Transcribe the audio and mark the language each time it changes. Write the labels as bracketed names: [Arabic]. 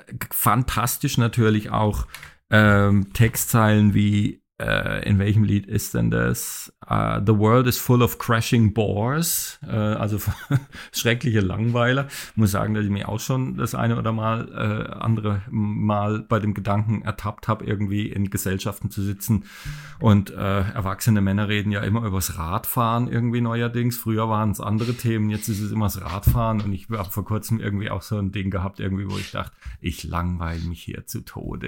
[German] Fantastisch natürlich auch Textzeilen wie, in welchem Lied ist denn das? [English] The world is full of crashing bores. [German] Also schreckliche Langweiler. Muss sagen, dass ich mich auch schon das eine oder mal andere Mal bei dem Gedanken ertappt habe, irgendwie in Gesellschaften zu sitzen. Und erwachsene Männer reden ja immer übers Radfahren irgendwie neuerdings. Früher waren es andere Themen, jetzt ist es immer das Radfahren. Und ich habe vor kurzem irgendwie auch so ein Ding gehabt, irgendwie, wo ich dachte, ich langweile mich hier zu Tode.